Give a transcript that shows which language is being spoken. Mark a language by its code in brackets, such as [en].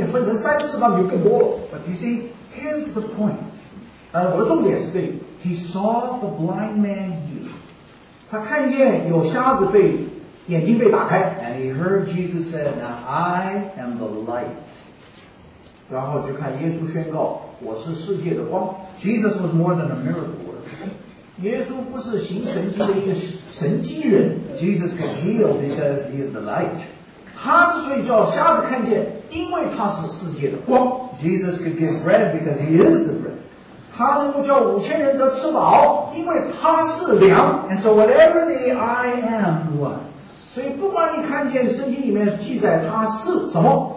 [zh] 如果你把耶稣说我是道路真理生命分成三次，那你就更多了. [en] But you see, here's the point. [zh] 我的重点是这里. [en] He saw the blind man heal. [zh] 他看见有瞎子被眼睛被打开. [en] And he heard Jesus say, now I am the light. [zh] 然后就看耶稣宣告我是世界的光. [en] Jesus was more than a miracle. [zh] 耶稣不是行神迹的一个神迹人. [en] Jesus can heal because he is the light. [zh] 他之所以叫瞎子看见，因为他是世界的光. [en] Jesus can give bread because he is the bread. [zh] 他能够叫5,000人得吃饱，因为他是粮. [en] And so whatever the I am was, [zh] 所以不管你看见圣经里面记载他是什么,